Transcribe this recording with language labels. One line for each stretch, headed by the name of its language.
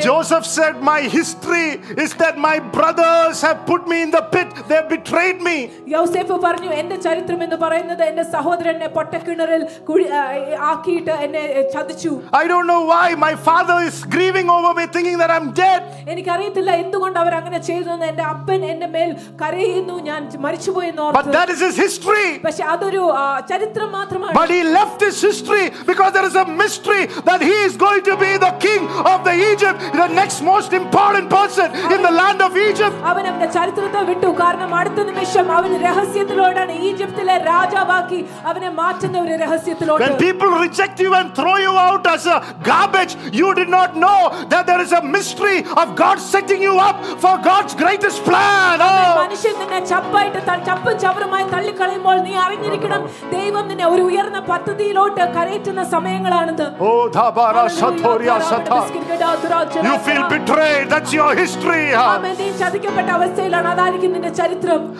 English: Joseph said my history is that my brothers have put me in the pit, they have betrayed me.
Malayalam: യോസേഫ് പറഞ്ഞു എന്റെ ചരിത്രം എന്ന് പറയുന്നത് എന്റെ സഹോദരനെ പൊട്ടക്കിണറിൽ ആക്കിയിട്ട് എന്നെ ചതിച്ചു.
English: I don't know why my father is grieving over me thinking that I'm dead.
Malayalam: എനിക്കറിയില്ല എന്തുകൊണ്ട് അവർ അങ്ങനെ ചെയ്തെന്ന്. എന്റെ അപ്പൻ എന്റെ മേൽ കരയുന്നു, ഞാൻ മരിച്ചുപോയെന്ന് ഓർത്തു.
English: But that is his history.
Malayalam: പക്ഷേ അതൊരു ചരിത്രം മാത്രമാണ്.
English: But he left his history because there is a mystery that he is going to be the king of the Egypt, the next most important person in the land of Egypt.
Malayalam: അവൻ അവന്റെ ചരിത്രത്തെ വിട്ടു, കാരണം അടുത്ത നിമിഷം അവൻ രഹസ്യത്തിലോടാണ് ഈജിപ്തിലെ രാജാവാക്കി അവനെ മാറ്റുന്ന ഒരു രഹസ്യത്തിലോട്ട്.
English: When people reject you and throw you out as a garbage, you did not know that there is a mystery of God setting you up for God's greatest plan.
Malayalam: മനുഷ്യൻ നിന്നെ ചപ്പായിട്ട് ചപ്പും ചവറുമായി തള്ളിക്കളയുമ്പോൾ നീ അറിഞ്ഞിരിക്കണം ദൈവം നിന്നെ ഒരു ഉയർന്ന പദ്ധതിയിലോട്ട് കരയറ്റുന്ന സമയങ്ങളാണിത്. ഓ ധാബാര ശതോരിയ ശത.
English: You feel betrayed, that's your history.
Malayalam: ആമേൻ. നീ ചതിക്കപ്പെട്ട അവസ്ഥയിലാണ്, അതായിരിക്കും നിന്റെ ചരിത്രം.